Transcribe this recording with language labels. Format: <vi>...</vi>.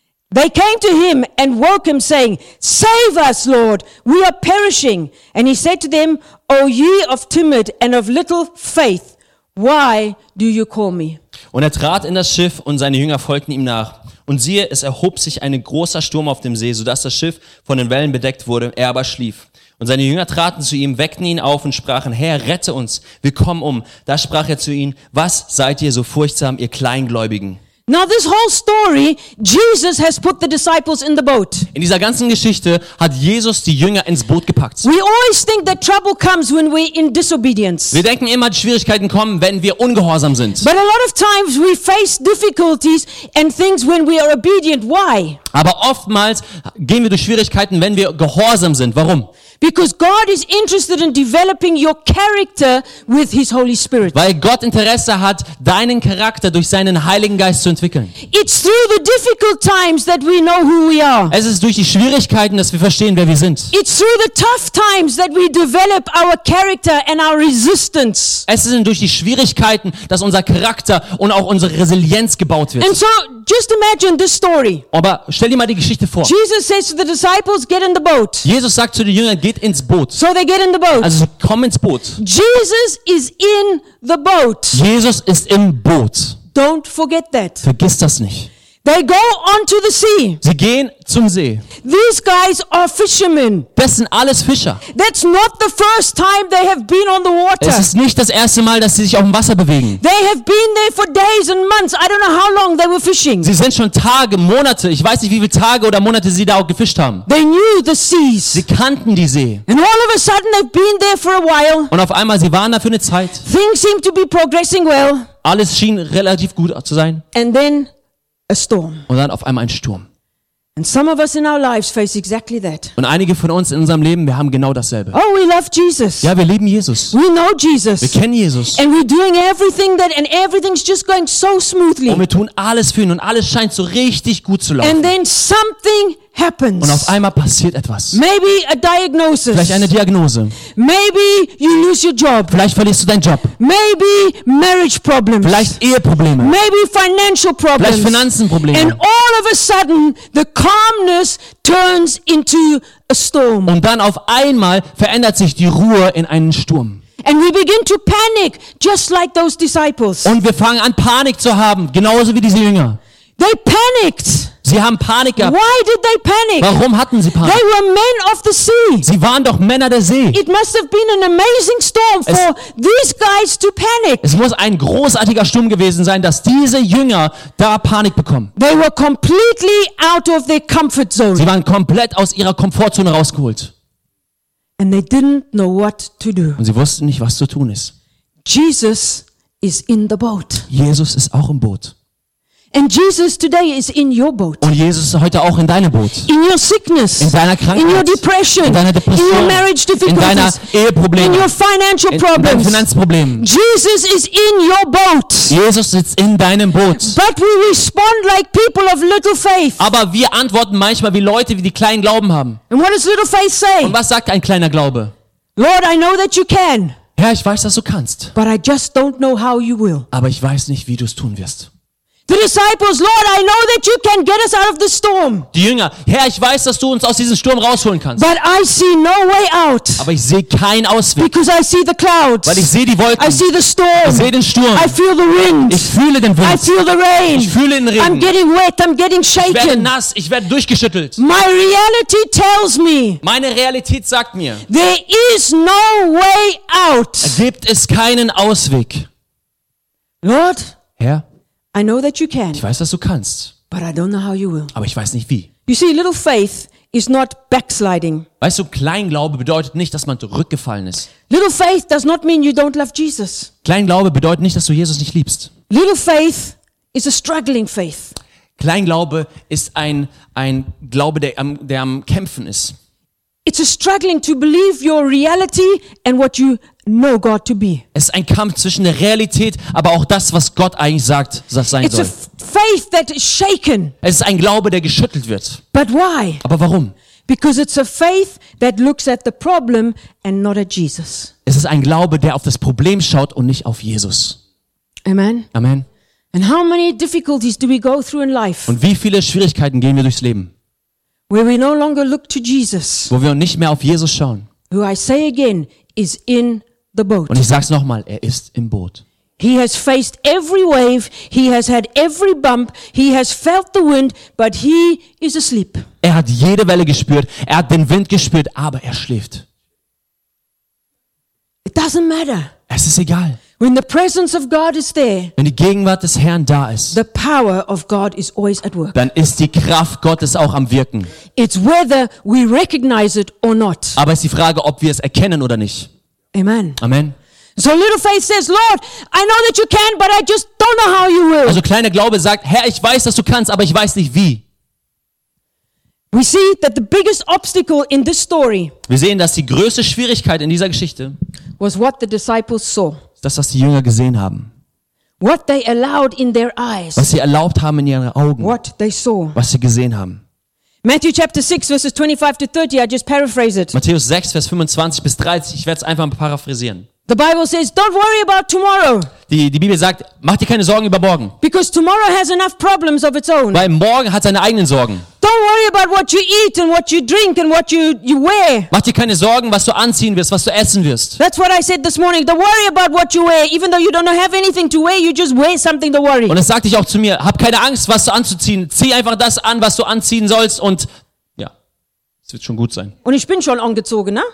<en>They came to him and woke him, saying, "Save us, Lord, we are perishing." And he said to them, "O ye of timid and of little faith, why do you call me?"</en> <de>Und er trat in das Schiff, und seine Jünger folgten ihm nach. Und siehe, es erhob sich ein großer Sturm auf dem See, sodass das Schiff von den Wellen bedeckt wurde, er aber schlief. Und seine Jünger traten zu ihm, weckten ihn auf und sprachen: "Herr, rette uns, wir kommen um." Da sprach er zu ihnen: "Was seid ihr so furchtsam, ihr Kleingläubigen?"</de> <en>Now this whole story, Jesus has put the disciples in the boat.</en> <de>In dieser ganzen Geschichte hat Jesus die Jünger ins Boot gepackt.</de> <en>We always think that trouble comes when we're in disobedience.</en> <de>Wir denken immer, Schwierigkeiten kommen, wenn wir ungehorsam sind.</de> <en>But a lot of times we face difficulties and things when we are obedient. Why?</en> <de>Aber oftmals gehen wir durch Schwierigkeiten, wenn wir gehorsam sind. Warum?</de> <en>Because God is interested in developing your character with His Holy Spirit.</en> <de>Weil Gott Interesse hat, deinen Charakter durch seinen Heiligen Geist zu entwickeln.</de> <en>It's through the difficult times that we know who we are.</en> <de>Es ist durch die Schwierigkeiten, dass wir verstehen, wer wir sind.</de> <en>It's through the tough times that we develop our character and our resistance.</en> <de>Es sind durch die Schwierigkeiten, dass unser Charakter und auch unsere Resilienz gebaut wird.</de> <en>And so, just imagine this story.</en> <de>Aber stell dir mal die Geschichte vor.</de> <en>Jesus says to the disciples, "Get in the boat."</en> <de>Jesus sagt zu den Jüngern: "Geht ins Boot."</de> <en>So they get in the boat.</en> <de>Also kommen ins Boot.</de> <en>Jesus is in the boat.</en> <de>Jesus ist im Boot.</de> <en>Don't forget that.</en> <de>Vergiss das nicht.</de> <en>They go onto the sea.</en> <de>Sie gehen zum See.</de> <en>These guys are fishermen.</en> <de>Das sind alles Fischer.</de> <en>That's not the first time they have been on the water.</en> <de>Es ist nicht das erste Mal, dass sie sich auf dem Wasser bewegen.</de> <en>They have been there for days and months. I don't know how long they were fishing.</en> <de>Sie sind schon Tage, Monate. Ich weiß nicht, wie viele Tage oder Monate sie da auch gefischt haben.</de> <en>They knew the seas.</en> <de>Sie kannten die See.</de> <en>And all of a sudden they've been there for a while.</en> <de>Und auf einmal, sie waren da für eine Zeit.</de> <en>Things seem to be progressing well.</en> <de>Alles schien relativ gut zu sein.</de> <en>And then a storm.</en> <de>Und dann auf einmal ein Sturm.</de> <en>And some of us in our lives face exactly that.</en> <de>Und einige von uns in unserem Leben, wir haben genau dasselbe.</de> <en>Oh, we love Jesus.</en> <de>Ja, wir lieben Jesus.</de> <en>We know Jesus.</en> <de>Wir kennen Jesus.</de> <en>And we're doing everything that and everything's just going so smoothly.</en> <de>Und wir tun alles für ihn und alles scheint so richtig gut zu laufen.</de> <en>And then something happens.</en> <de>Und auf einmal passiert etwas.</de> <en>Maybe a diagnosis.</en> <de>Vielleicht eine Diagnose.</de> <en>Maybe you lose your job.</en> <de>Vielleicht verlierst du deinen Job.</de> <en>Maybe marriage problems.</en> <de>Vielleicht Eheprobleme.</de> <en>Maybe financial problems.</en> <de>Vielleicht Finanzenprobleme.</de> <en>And all of a sudden the calmness turns into a storm.</en> <de>Und dann auf einmal verändert sich die Ruhe in einen Sturm.</de> <en>And we begin to panic just like those disciples.</en> <de>Und wir fangen an Panik zu haben, genauso wie diese Jünger.</de> <en>They panicked.</en> <de>Sie haben Panik gehabt.</de> <en>Why did they panic?</en> <de>Warum hatten sie Panik?</de> <en>They were men of the sea.</en> <de>Sie waren doch Männer der See.</de> <en>It must have been an amazing storm for these guys to panic.</en> <de>Es muss ein großartiger Sturm gewesen sein, dass diese Jünger da Panik bekommen.</de> <en>They were completely out of their comfort zone.</en> <de>Sie waren komplett aus ihrer Komfortzone rausgeholt.</de> <en>And they didn't know what to do.</en> <de>Und sie wussten nicht, was zu tun ist.</de> <en>Jesus is in the boat.</en> <de>Jesus ist auch im Boot.</de> <en>And Jesus today is in your boat.</en> <de>Und Jesus ist heute auch in deinem Boot.</de> <en>In your sickness.</en> <de>In deiner Krankheit.</de> <en>In your depression.</en> <de>In deiner Depression.</de> <en>In your marriage difficulties.</en> <de>In deiner Eheprobleme.</de> <en>In your financial problems.</en> <de>In deinen Finanzproblemen.</de> <en>Jesus is in your boat.</en> <de>Jesus sitzt in deinem Boot.</de> <en>But we respond like people of little faith.</en> <de>Aber wir antworten manchmal wie Leute, die kleinen Glauben haben.</de> <en>And what does little faith say?</en> <de>Und was sagt ein kleiner Glaube?</de> <en>Lord, I know that you can.</en> <de>Herr, ich weiß, dass du kannst.</de> <en>But I just don't know how you will.</en> <de>Aber ich weiß nicht, wie du es tun wirst.</de> <en>The disciples, Lord, I know that you can get us out of the storm.</en> <de>Die Jünger, Herr, ich weiß, dass du uns aus diesem Sturm rausholen kannst.</de> <en>But I see no way out.</en> <de>Aber ich sehe keinen Ausweg.</de> <en>Because I see the clouds.</en> <de>Weil ich sehe die Wolken.</de> <en>I see the storm.</en> <de>Ich sehe den Sturm.</de> <en>I feel the wind.</en> <de>Ich fühle den Wind.</de> <en>I feel the rain.</en> <de>Ich fühle den Regen.</de> <en>I'm getting wet. I'm getting shaken.</en> <de>Ich werde nass. Ich werde durchgeschüttelt.</de> <en>My reality tells me.</en> <de>Meine Realität sagt mir.</de> <en>There is no way out.</en> <de>Gibt es keinen Ausweg.</de> <en>Lord.</en> <de>Herr.</de> <en>I know that you can.</en> <de>Ich weiß, dass du kannst.</de> <en>But I don't know how you will.</en> <de>Aber ich weiß nicht wie.</de> <en>You see, little faith is not backsliding.</en> <de>Weißt du, Kleinglaube bedeutet nicht, dass man zurückgefallen ist.</de> <en>Little faith does not mean you don't love Jesus.</en> <de>Kleinglaube bedeutet nicht, dass du Jesus nicht liebst.</de> <en>Little faith is a struggling faith.</en> <de>Kleinglaube ist ein Glaube, der am Kämpfen ist.</de> <en>It's a struggling to believe your reality and what you know God to be.</en> <de>Es ist ein Kampf zwischen der Realität, aber auch das, was Gott eigentlich sagt, das sein</de> <en>It's</en> <de>soll.</de> <en>Faith that is shaken.</en> <de>Es ist ein Glaube, der geschüttelt wird.</de> <en>But why?</en> <de>Aber warum?</de> <en>Because it's a faith that looks at the problem and not at Jesus.</en> <de>Es ist ein Glaube, der auf das Problem schaut und nicht auf Jesus.</de> <en>Amen.</en> <de>Amen.</de> <en>And how many difficulties do we go through in life?</en> <de>Und wie viele Schwierigkeiten gehen wir durchs Leben?</de> <en>Where we no longer look to Jesus.</en> <de>Wo wir nicht mehr auf Jesus schauen.</de> <en>Who I say again is in the boat.</en> <de>Und ich sag's nochmal, er ist im Boot.</de> <en>He has faced every wave, he has had every bump, he has felt the wind, but he is asleep.</en> <de>Er hat jede Welle gespürt, er hat den Wind gespürt, aber er schläft.</de> <en>It doesn't matter.</en> <de>Es ist egal.</de> <en>When the presence of God is there,</en> <de>wenn die Gegenwart des Herrn da ist,</de> <en>the power of God is always at work.</en> <de>Dann ist die Kraft Gottes auch am Wirken.</de> <en>It's whether we recognize it or not.</en> <de>Aber es ist die Frage, ob wir es erkennen oder nicht.</de> <en>Amen.</en> <de>Amen.</de> <en>So little faith says, Lord, I know that you can, but I just don't know how you will.</en> <de>Also kleiner Glaube sagt, Herr, ich weiß, dass du kannst, aber ich weiß nicht wie.</de> <en>We see that the biggest obstacle in this story.</en> <de>Wir sehen, dass die größte Schwierigkeit in dieser Geschichte</de> <en>was what the disciples saw.</en> <de>Das, was die Jünger gesehen haben.</de> <en>What they allowed in their eyes.</en> <de>Was sie erlaubt haben in ihren Augen.</de> <en>What they saw.</en> <de>Was sie gesehen haben.</de> <en>Matthew chapter 6 verses 25 to 30. I just paraphrase it.</en> <de>Matthäus 6 Vers 25 bis 30. Ich werde es einfach mal paraphrasieren.</de> <en>The Bible says, don't worry about tomorrow.</en> <de>Die Bibel sagt, mach dir keine Sorgen über morgen.</de> <en>Because tomorrow has enough problems of its own.</en> <de>Weil morgen hat seine eigenen Sorgen.</de> <en>Don't worry about what you eat and what you drink and what you wear.</en> <de>Mach dir keine Sorgen, was du anziehen wirst, was du essen wirst.</de> <en>That's what I said this morning. Don't worry about what you wear, even though you don't have anything to wear, you just wear something to worry.</en> <de>Und das sagte ich auch zu mir, hab keine Angst, was du anzuziehen. Zieh einfach das an, was du anziehen sollst und ja, es wird schon gut sein. Und ich bin schon angezogen, ne?</de>